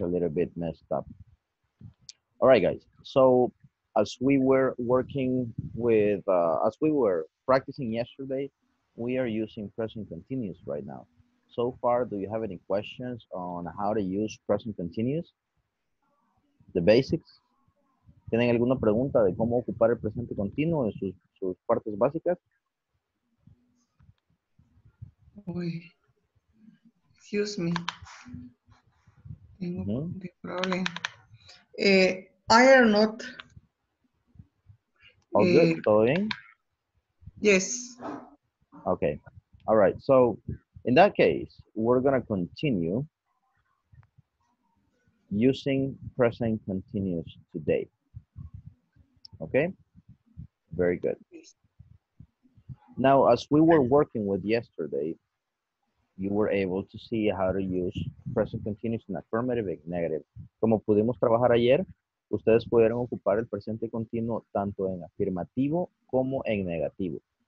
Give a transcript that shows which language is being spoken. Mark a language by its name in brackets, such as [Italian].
[English] a little bit messed up. All right, guys. So as we were working with, as we were practicing yesterday, we are using present continuous right now. So far, do you have any questions on how to use present continuous? The basics? [Spanish] ¿Tienen alguna pregunta de cómo ocupar el presente continuo en sus partes básicas? [English] Excuse me. [Spanish] Tengo [English] the problem. I am not. All good. [Spanish] ¿Todo bien? [English] Yes. Okay. All right. So, in that case, we're going to continue using present continuous today. Okay? Very good. Now, as we were working with yesterday, you were able to see how to use present continuous in affirmative and negative. [Spanish] Como pudimos trabajar ayer, ustedes pudieron ocupar el presente continuo tanto en afirmativo como en negativo.